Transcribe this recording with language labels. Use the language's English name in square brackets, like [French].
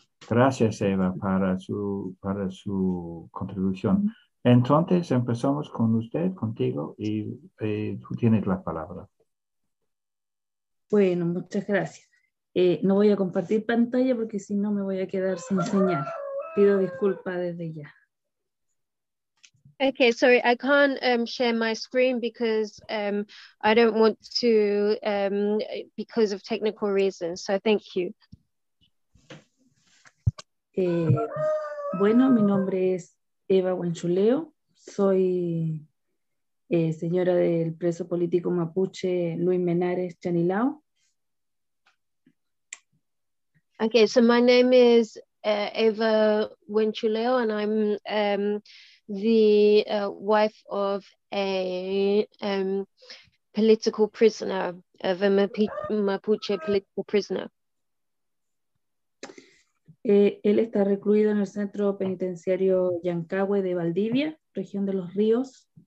[Spanish] Gracias, Eva, para su contribución. Entonces, empezamos con usted, contigo, y tú tienes la palabra. Bueno, muchas gracias. No voy a compartir pantalla porque si no me voy a quedar sin señal. Pido disculpa desde ya. [English] Okay, sorry, I can't share my screen because I don't want to, because of technical reasons, so thank you. [Spanish] Bueno, mi nombre es Eva Huenchuleo, soy señora del preso político mapuche Luis Menares Chanilao. [English] Okay, so my name is Eva Huenchuleo and I'm the wife of a political prisoner, of a Mapuche political prisoner. [Spanish] Él está recluido en el centro penitenciario Yancahue de Valdivia, región de Los Ríos.